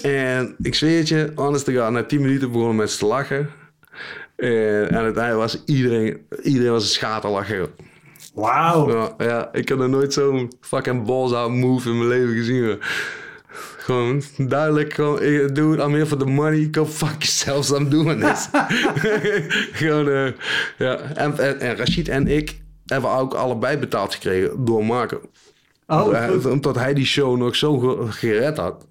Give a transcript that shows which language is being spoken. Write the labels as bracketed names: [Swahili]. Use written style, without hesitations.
[Dutch] En ik zweer het je, [English] honest to God, [Dutch] na 10 minuten begonnen met ze te lachen. En aan het einde was iedereen was een schaterlacher. Wauw. Ja, ik had nog nooit zo'n [English] fucking balls out move [Dutch] in mijn leven gezien. Gewoon duidelijk, gewoon, [English] dude, I'm here for the money. Go fuck yourself, I'm doing this. [Dutch] Gewoon, ja. En Rashid en ik... hebben ook allebei betaald gekregen door Marco. Oh, omdat hij die show nog zo gered had.